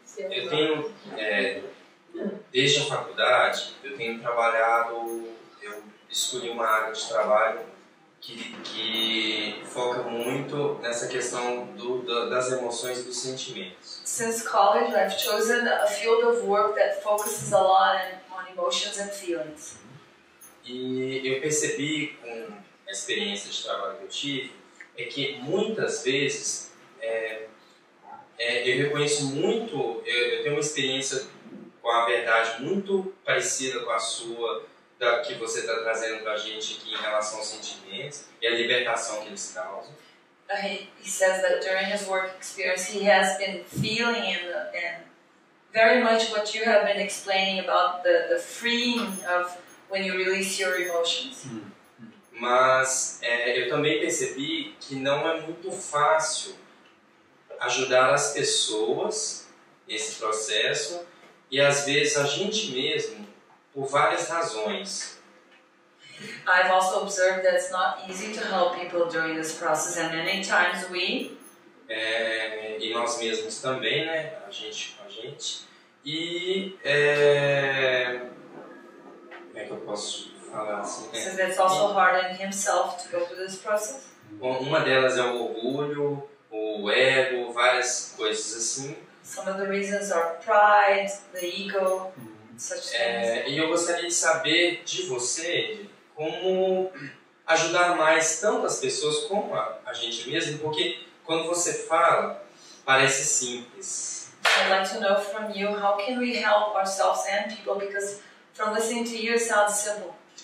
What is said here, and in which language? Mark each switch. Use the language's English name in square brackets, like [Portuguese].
[Portuguese] Eu tenho, desde a faculdade, eu tenho trabalhado, eu escolhi uma área de trabalho que foca muito nessa questão das emoções e dos sentimentos. [English] Since college, I've chosen a field of work that focuses a lot on emotions and feelings. [Portuguese] E eu percebi com a experiência de trabalho que eu tive é que muitas vezes eu reconheço muito, eu tenho uma experiência com a verdade muito parecida com a sua, da que você está trazendo para a gente aqui em relação aos sentimentos e a libertação que eles causam. [English] He says that during his work experience he has been feeling and very much what you have been explaining about the freeing of when you release your emotions. [Portuguese] Mas eu também percebi que não é muito fácil ajudar as pessoas nesse processo e às vezes a gente mesmo por várias razões. [English] I've also observed that it's not easy to help people during this process, and many times we [Portuguese] e nós mesmos também, né? A gente com a gente. E como é que eu posso falar assim? [English] So that's also hard in himself to go through this process. [Portuguese] Uma delas é o orgulho, o ego, várias coisas assim. [English] Some of the reasons are pride, the ego. [Portuguese] E eu gostaria de saber de você como ajudar mais tanto as pessoas como a gente mesmo, porque quando você fala parece simples. [English] I'd like to know from you how can we help ourselves and people, because from listening to you it sounds simple.